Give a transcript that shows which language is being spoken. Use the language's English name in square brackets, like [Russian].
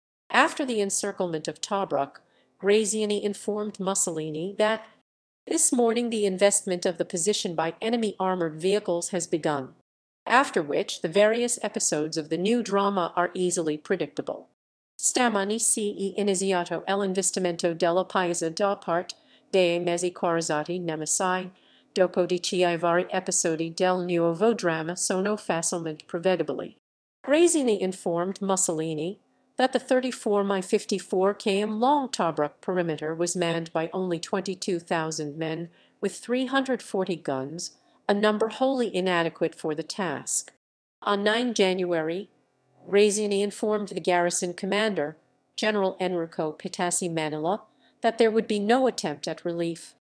[English] After the encirclement of Tobruk, Graziani informed Mussolini that this morning the investment of the position by enemy armored vehicles has begun, after which the various episodes of the new drama are easily predictable. [Italian] Stamani si iniziato l'investimento della paese da parte dei mezzi corazzati nemici, dopo di ci i vari episodi del nuovo drama sono facilmente prevedibili. [English] Graziani informed Mussolini that the 34-54 km long Tobruk perimeter was manned by only 22,000 men with 340 guns, a number wholly inadequate for the task. On 9 January, Graziani informed the garrison commander, General Enrico Pitassi Manila, that there would be no attempt at relief.